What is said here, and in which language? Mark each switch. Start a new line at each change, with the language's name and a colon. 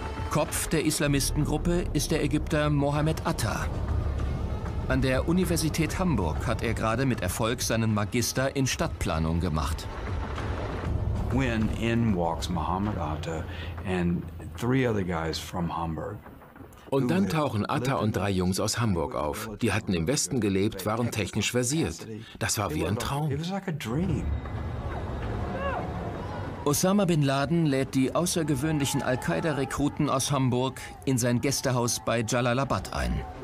German: Kopf der Islamistengruppe ist der Ägypter Mohammed Atta. An der Universität Hamburg hat er gerade mit Erfolg seinen Magister in Stadtplanung gemacht.
English: When in walks Mohammed Atta and three other guys from Hamburg.
German: Und dann tauchen Atta und drei Jungs aus Hamburg auf. Die hatten im Westen gelebt, waren technisch versiert. Das war wie ein Traum. Osama bin Laden lädt die außergewöhnlichen Al-Qaida-Rekruten aus Hamburg in sein Gästehaus bei Jalalabad ein.